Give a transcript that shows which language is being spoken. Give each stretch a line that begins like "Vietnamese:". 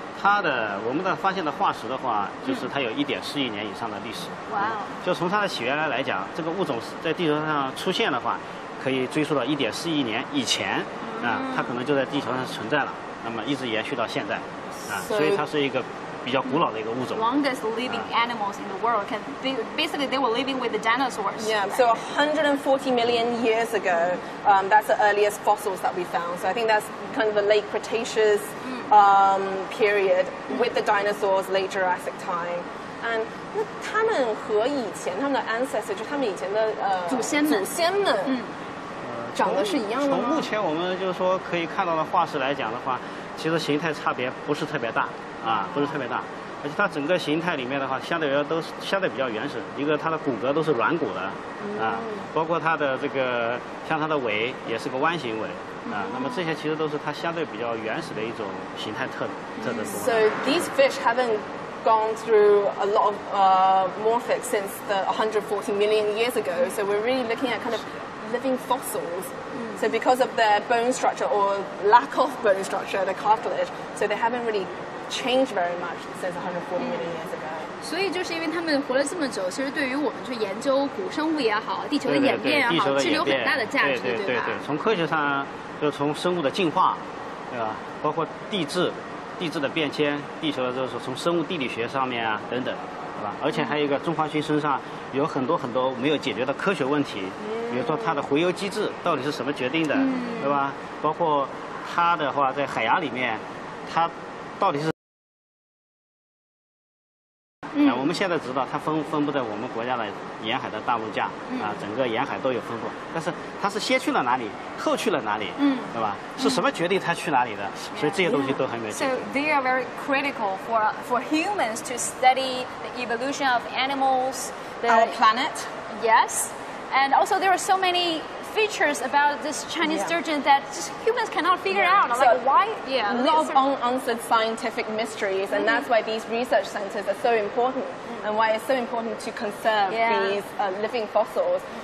Chinese: 我们的发现的化石的话，就是它有1.4亿年以上的历史。就从它的起源来讲，这个物种在地球上出现的话，可以追溯到1.4亿年以前，它可能就在地球上存在了，那么一直延续到现在，所以它是一个比较古老的一个物种。
English: Longest living animals in the world, basically they were living with the dinosaurs. Yeah, so 140 million years ago, that's the earliest fossils that we found. So I think that's kind of the late Cretaceous. Period with the dinosaurs late Jurassic time, and
Chinese: 那他们和以前他们的
English: ancestors
Chinese: 就他们以前的祖先们，长得是一样的吗？从目前我们就是说可以看到的化石来讲的话，其实形态差别不是特别大不是特别大，而且它整个形态里面的话，相对比较原始，一个它的骨骼都是软骨的包括它的这个像它的尾也是个弯形尾。那么这些其实都是它相对比较原始的一种形态特征。
English: So these fish haven't gone through a lot of morphic since the 140 million years ago. So we're really looking at kind of living fossils. So because of their bone structure or lack of bone structure, the cartilage, so they haven't really changed very much since 140 million years ago.
Chinese: 所以就是因为他们活了这么久，其实对于我们去研究古生物也好，地球的演变也好，对对是有很大的价值的，对吧？对，从科学上，就从生物的进化，对吧？包括地质的变迁，地球的就是从生物地理学上面等等，是吧？而且还有一个中华鲟身上有很多很多没有解决的科学问题，比如说它的洄游机制到底是什么决定的，对吧？包括它的话在海牙里面，它到底是。我们现在知道它分布在我们国家的沿海的大陆架啊，整个沿海都有分布，但是它是先去了哪里，后去了哪里，对吧？是什么决定它去哪里的？所以这些东西都还没解决。
English: So they are very critical for humans to study the evolution of animals. Our planet. Yes, and also there are so many features about this Chinese sturgeon that humans cannot figure out. So like why? Yeah, a lot of unanswered scientific mysteries, and that's why these research centers are so important, and why it's so important to conserve these living fossils.